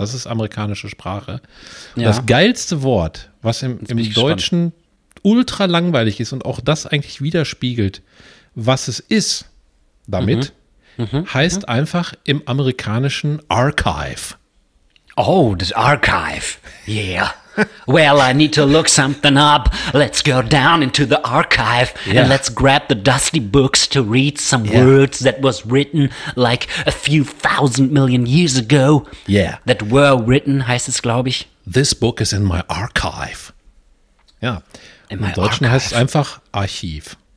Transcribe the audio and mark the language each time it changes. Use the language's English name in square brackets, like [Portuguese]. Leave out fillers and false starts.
[German] Das ist amerikanische Sprache. Ja. Das geilste Wort, was im Deutschen ultra langweilig ist und auch das eigentlich widerspiegelt, was es ist damit, heißt einfach im Amerikanischen Archive. Oh, das Archive. Yeah. [English] Well, I need to look something up. Let's go down into the archive and let's grab the dusty books to read some words that was written like a few thousand million years ago. Yeah. That were written, [German] heißt es, glaube ich. [English] This book is in my archive. [German] Ja, im Deutschen heißt es einfach Archiv.